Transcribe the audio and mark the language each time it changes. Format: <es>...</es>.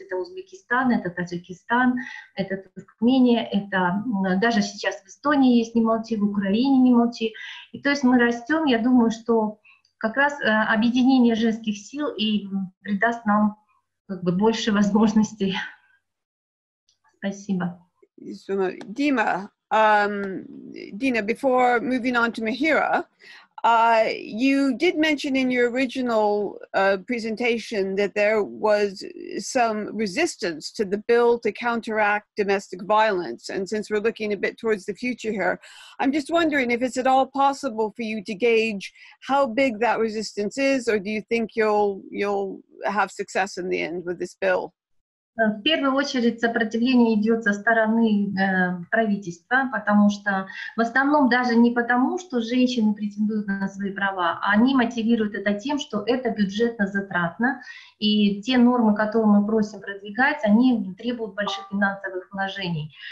<ru>Это Узбекистан, это Таджикистан, это Туркмения, это даже сейчас в Эстонии есть «Не молчи», в Украине «Не молчи». И то есть мы растем, я думаю, что как раз объединение женских сил и придаст нам как бы больше возможностей. Спасибо.</ru> <en>Дима, Дина, before moving on to Mahira, you did mention in your original presentation that there was some resistance to the bill to counteract domestic violence. And since we're looking a bit towards the future here, I'm just wondering if it's at all possible for you to gauge how big that resistance is, or do you think you'll have success in the end with this bill?</en> <ru>В первую очередь сопротивление идет со стороны правительства, потому что в основном даже не потому, что женщины претендуют на свои права, а они мотивируют это тем, что это бюджетно затратно, и те нормы, которые мы просим продвигать, они требуют больших финансовых вложений.</ru>